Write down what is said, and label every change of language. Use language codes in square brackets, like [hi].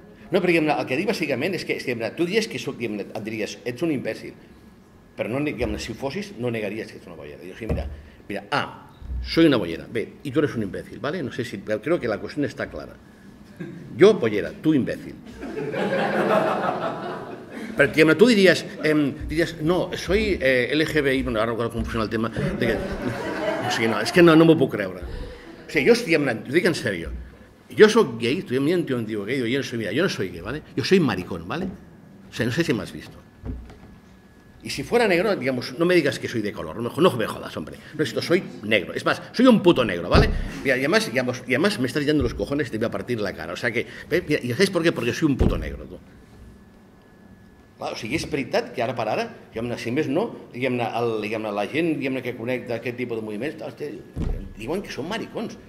[ca] No, però diguem-ne, el que dic bàsicament és que diguem-ne, tu diries que soc, diguem-ne, et diries, ets un imbècil, però no, diguem-ne, si ho fossis, no negaries que ets una bollera. Dius, mira, A, [es] soy una bollera, [ca] B, i tu [es] eres un imbècil, ¿vale? [ca] No sé si, però [es] creo que [ca] la qüestió està clara. Jo, bollera, tu, imbècil. Però, diguem-ne, tu diries, no, [es] soy LGBT, bueno, [ca] ara recordo com funciona el tema, o sigui, no, és que no m'ho puc creure. O sigui, jo, diguem-ne, ho dic en sèrio, jo soc gay, tu em dius gay, jo [es] no soy gay, ¿vale? [ca] Jo [es] soy maricón, ¿vale? O sea, no sé si m'has visto. Y si fuera negro, digamos, no me digas que soy de color, no me jodas, hombre. No, esto, soy negro, es más, soy un puto negro, ¿vale? Mira, y además me estás llenando los cojones y te voy a partir la cara, o sea que... Mira, ¿y sabes por qué? Porque soy un puto negro, tú. [ca] Clar, o sigui, és veritat que ara per ara, diguem-ne, si més no, diguem-ne, la gent diguem-ne, que connecta aquest tipus de moviments, diuen que són maricons.